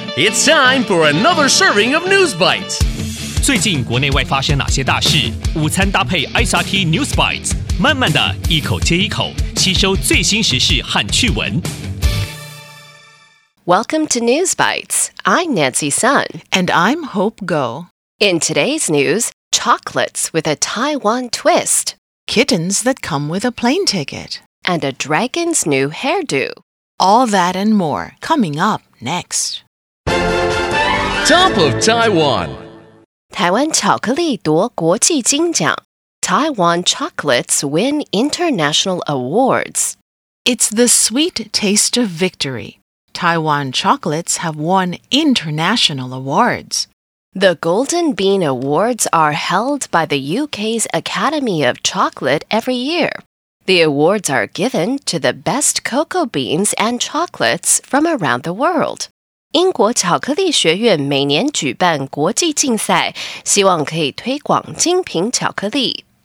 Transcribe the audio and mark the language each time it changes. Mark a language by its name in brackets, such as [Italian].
[English] It's time for another serving of News Bites. [Chinese] 最近国内外发生哪些大事？午餐搭配 SRT News Bites， 慢慢的一口接一口，吸收最新时事和趣闻。 [English] Welcome to News Bites. I'm Nancy Sun. And I'm Hope Go. In today's news, chocolates with a Taiwan twist. Kittens that come with a plane ticket. And a dragon's new hairdo. All that and more coming up next. Top of Taiwan. [Chinese] 台灣巧克力奪國際金獎。 [English] Taiwan chocolates win international awards. It's the sweet taste of victory. Taiwan chocolates have won international awards. The Golden Bean Awards are held by the UK's Academy of Chocolate every year. The awards are given to the best cocoa beans and chocolates from around the world. [Chinese] 英国巧克力学院每年举办国际竞赛，希望可以推广精品巧克力。